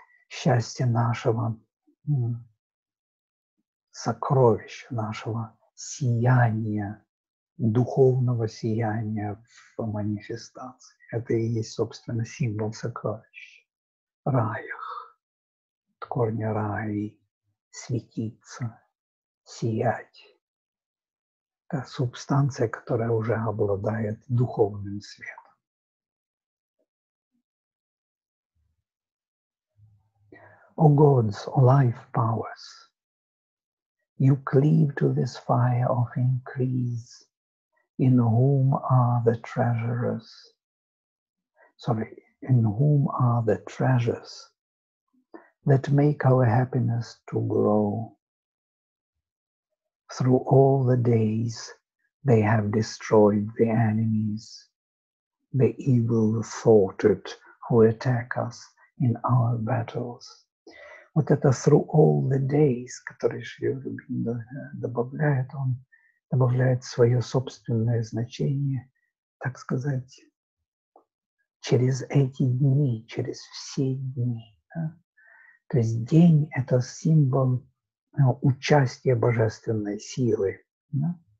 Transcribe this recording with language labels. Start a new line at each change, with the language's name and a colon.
Russian: Счастье нашего сокровища, нашего сияния, духовного сияния в манифестации. Это и есть, собственно, символ сокровища. Раях, корня рави светиться, сиять. Та субстанция, которая уже обладает духовным светом.
English: O gods, O life powers, you cleave to this fire of increase, in whom are the treasures? Sorry, in whom are the treasures that make our happiness to grow? Through all the days, they have destroyed the enemies, the evil-thoughted who attack us in our battles.
Russian: Вот это
English: through all the days,
Russian: который Шрёбин добавляет, он добавляет свое собственное значение, так сказать, через эти дни, через все дни. Да? То есть день — это символ участия божественной силы. Да?